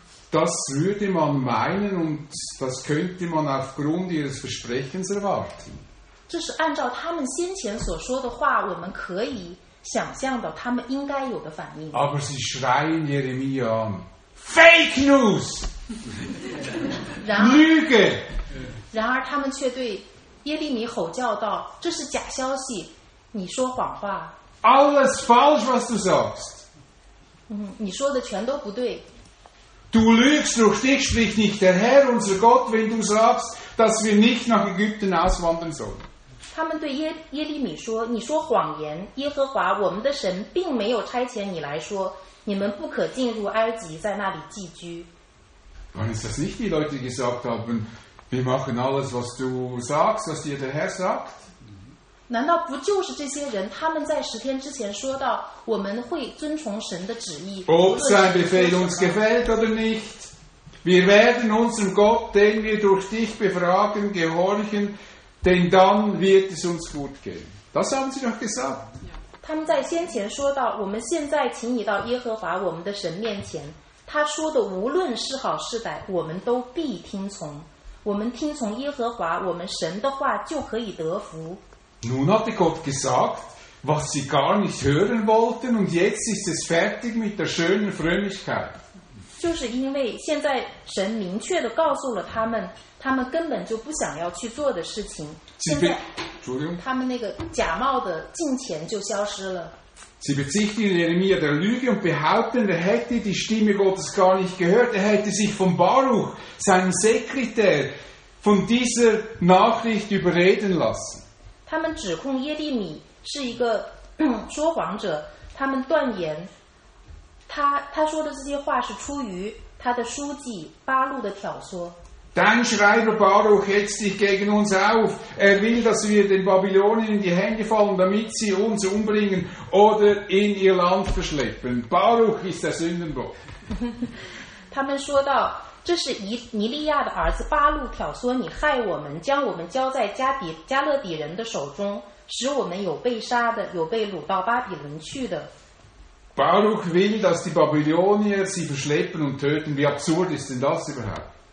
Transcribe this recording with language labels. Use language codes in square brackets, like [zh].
[de] Das würde man meinen und das könnte man aufgrund ihres Versprechens erwarten. Das ist [zh] 按照他们先前所说的话，我们可以想象到他们应该有的反应。 [de] Aber sie schreien Jeremia an. Fake news! Lüge! [zh] 然而他们却对耶利米吼叫道，这是假消息，你说谎话。 [de] Alles falsch, was du sagst. [zh] 你说的全都不对。 [de] Du lügst, durch dich spricht nicht der Herr, unser Gott, wenn du sagst, dass wir nicht nach Ägypten auswandern sollen. [zh] 他们对耶利米说，你说谎言，耶和华我们的神并没有差遣你来说，你们不可进入埃及，在那里寄居。 [de] Wann ist das nicht, die Leute gesagt haben, wir machen alles, was du sagst, was dir der Herr sagt? [zh] 难道不就是这些人，他们在十天之前说到，我们会遵从神的旨意。 [de] Ob sein Befehl uns gefällt oder nicht, wir werden unserem Gott, den wir durch dich befragen, gehorchen, denn dann wird es uns gut gehen. Das haben sie doch gesagt. [zh] 他们在先前说到，我们现在请你到耶和华我们的神面前。他说的无论是好是歹，我们都必听从。我们听从耶和华我们神的话，就可以得福。 [de] Nun hatte Gott gesagt, was sie gar nicht hören wollten, und jetzt ist es fertig mit der schönen Fröhlichkeit. [zh] 就是因为现在神明确地告诉了他们，他们根本就不想要去做的事情。现在，他们那个假冒的敬虔就消失了。 [de] Sie bezichtigen Jeremia der Lüge und behaupten, er hätte die Stimme Gottes gar nicht gehört. Er hätte sich von Baruch, seinem Sekretär, von dieser Nachricht überreden lassen. [zh] 他们指控耶利米是一个说谎者，他们断言他说的这些话是出于他的书记巴路的挑唆。 [de] Dein Schreiber Baruch hetzt dich gegen uns auf. Er will, dass wir den Babyloniern in die Hände fallen, damit sie uns umbringen oder in ihr Land verschleppen. Baruch ist der Sündenbock. [zh] 他们说到，这是尼利亚的儿子巴路挑唆你害我们，将我们交在加勒底人的手中，使我们有被杀的，有被掳到巴比伦去的。 [de] Baruch will, dass die Babylonier sie verschleppen und töten. Wie absurd ist denn das überhaupt?